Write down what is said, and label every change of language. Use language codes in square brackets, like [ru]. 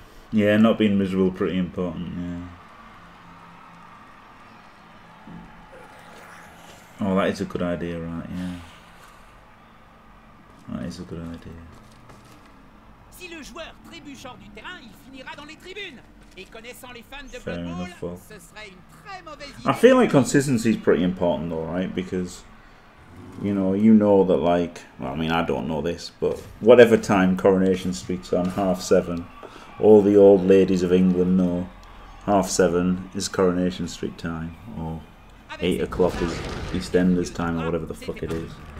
[en] Yeah, not being miserable, pretty important, yeah. Oh, that is a good idea, right, yeah. That is a good idea. [fr] Si le joueur trébuche hors du terrain, il finira dans les tribunes. Et connaissant les fans de Blood Bowl, ce serait une très mauvaise idée. [en] I feel like consistency is pretty important, though, right? Because you know that, like, well, I mean, I don't know this, but whatever time Coronation Street's on, 7:30, all the old ladies of England know 7:30 is Coronation Street time, or 8:00 is EastEnders time, or whatever the fuck it is.